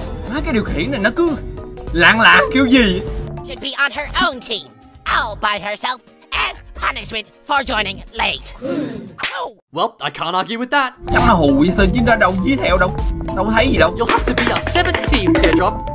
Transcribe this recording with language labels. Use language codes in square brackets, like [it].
[vi] Má cái điều khiển này nó cứ lạng lạc kiểu gì. [en] Should be on her own team, all by herself. As punishment for joining late. Well, I can't argue with that. [vi] Chắc là hù vậy thôi chứ ra đâu dí theo đâu. Đâu thấy gì đâu. [en] You'll have to be our seventh team, Teardrop.